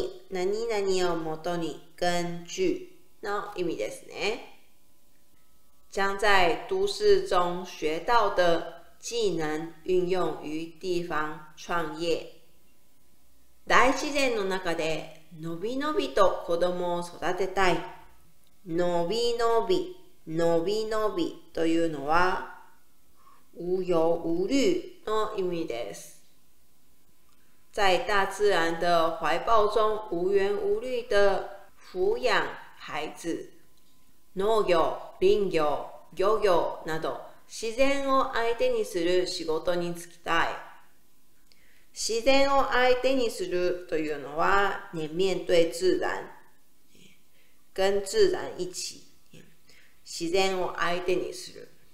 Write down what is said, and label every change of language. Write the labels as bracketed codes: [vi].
[ja] 何々をもとに、根据の意味ですね。 [zh] 将在都市中学到的技能運用于地方创业。 [ja] 大自然の中で伸び伸びと子供を育てたい。伸び伸びというのは、 [zh] 無忧無虑 [ja] の意味です。 [zh] 在大自然的怀抱中无缘无虑的抚养孩子。 [ja] 農業、林業、漁業など自然を相手にする仕事に就きたい。自然を相手にするというのは、 [zh] 面对自然。跟自然一起。 [ja] 自然を相手にする。